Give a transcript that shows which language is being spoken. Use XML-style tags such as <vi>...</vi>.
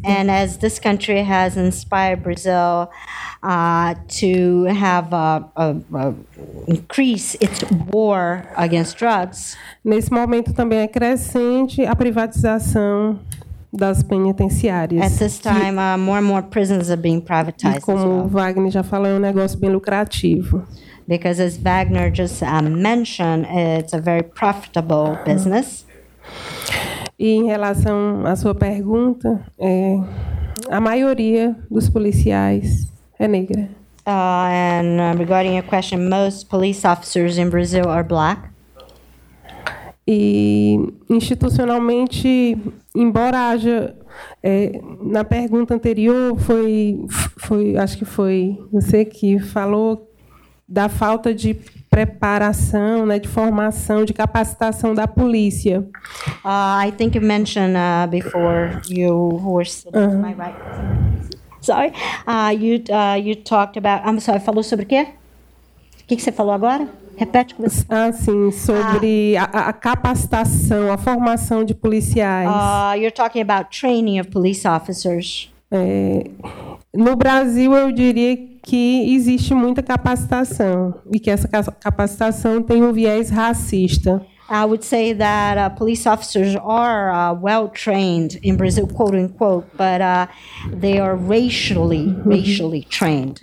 <en>And as this country has inspired Brazil to have a increase its war against drugs.</en> <pt>Nesse momento também é crescente a privatização das penitenciárias.</pt> <en>At this time, more and more prisons are being privatized.</en> <pt>E como</pt> <en>as well.</en> <pt>Wagner já falou, é um negócio bem lucrativo.</pt> <en>Because as Wagner just mentioned, it's a very profitable business.</en> <pt>E em relação à sua pergunta, a maioria dos policiais é negra.</pt> <en>And regarding your question, most police officers in Brazil are black.</en> <pt>E institucionalmente, embora haja na pergunta anterior foi acho que foi você que falou da falta de preparação, né, de formação, de capacitação da polícia.</pt> <en>I think you mentioned before you were sitting to my right. Sorry. You talked about. I'm sorry,</en> <pt>falou sobre o quê? O que você falou agora? Repete com você. Ah, sim, sobre a capacitação, a formação de policiais.</pt> <en>You're talking about training of police officers.</en> <pt>No Brasil, eu diria que existe muita capacitação e que essa capacitação tem um viés racista.</pt> <en>I would say that police officers are well trained in Brazil, quote unquote, but they are racially trained.</en>